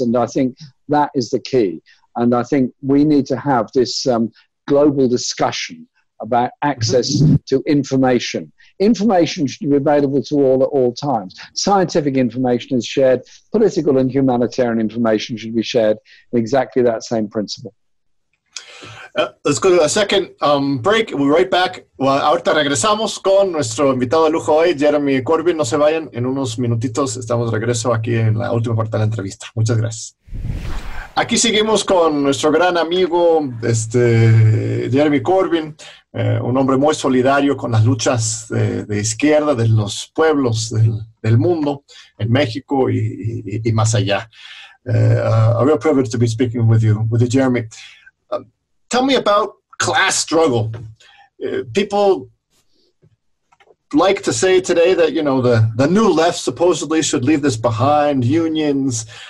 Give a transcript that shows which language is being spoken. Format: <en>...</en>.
<en>And I think that is the key. And I think we need to have this global discussion about access to information. Information should be available to all at all times. Scientific information is shared. Political and humanitarian information should be shared in exactly that same principle. Let's go to a second break. We'll be right back.</en> <es>Well, ahorita regresamos con nuestro invitado de lujo hoy, Jeremy Corbyn. No se vayan. En unos minutitos estamos de regreso aquí en la última parte de la entrevista. Muchas gracias. Aquí seguimos con nuestro gran amigo, Jeremy Corbyn, un hombre muy solidario con las luchas de izquierda de los pueblos del mundo, en México y más allá.</es> <en>A real privilege to be speaking with you, Jeremy. Tell me about class struggle. People like to say today that, you know, the new left supposedly should leave this behind, unions.</en>